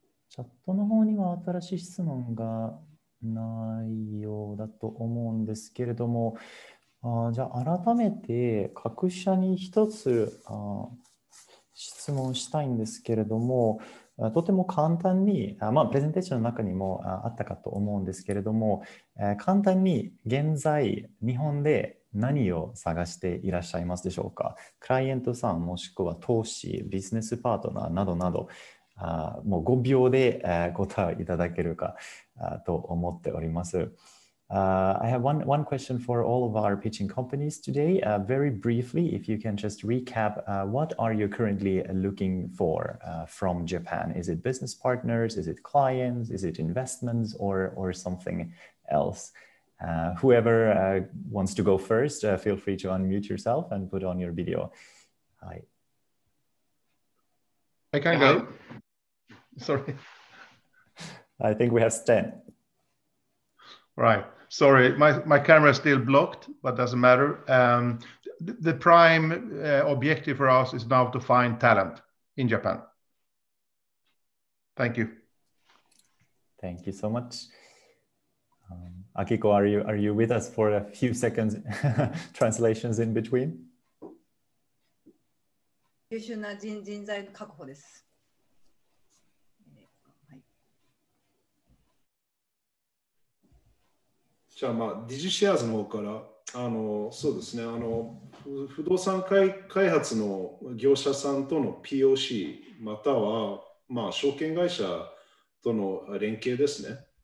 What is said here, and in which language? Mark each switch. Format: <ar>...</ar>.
<ja>チャットの方には新しい質問がないようだと思うんですけれども、じゃあ改めて各社に一つ質問したいんですけれども、とても簡単に、まあ、プレゼンテーションの中にもあったかと思うんですけれども、簡単に現在日本で何を探していらっしゃいますでしょうか。クライアントさん、もしくは投資、ビジネスパートナーなどなど、もう5秒で答えいただけるかと思っております。</ja> <en>I have one question for all of our pitching companies today. Very briefly, if you can just recap, what are you currently looking for from Japan? Is it business partners? Is it clients? Is it investments or something else? Whoever wants to go first, feel free to unmute yourself and put on your video. Hi. I can go. Sorry. I think we have Stan. Right. Sorry, my camera is still blocked, but doesn't matter. The prime objective for us is now to find talent in Japan. Thank you. Thank you so much. Akiko, are you with us for a few seconds translations in between?</en> <ja>優秀な人材の確保です。じゃあ、まあ、ディジシェアーズの方から、そうですね、不動産開発の業者さんとの POC、または、まあ、証券会社との連携ですね。</ja>